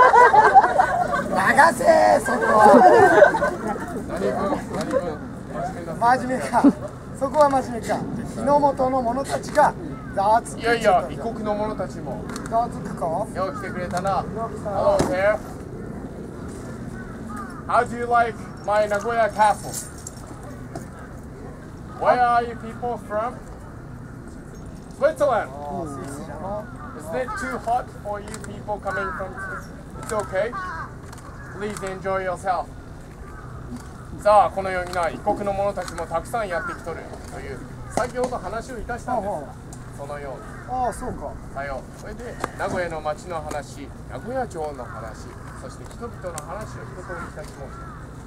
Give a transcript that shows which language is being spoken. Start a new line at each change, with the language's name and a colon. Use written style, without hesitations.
Japanese: から。流せそこは。何分真面目か。そこは真面目か。広本の者たちがザワつく。いやいや、異国の者たちもザワつくか。よう来てくれたな。ハローヘア。
English: How do you like my Nagoya Castle? Where are you people from? Switzerland. Isn't it too hot for you people coming from? It's okay. Please enjoy yourself.
Japanese: さあ、このようにな、異国の者たちもたくさんやってきとるという先ほど話をいたしたんですが、そのように。ああ、そうか。さよう。それで名古屋の町の話、名古屋城の話、そして人々の話を一通りいたしました。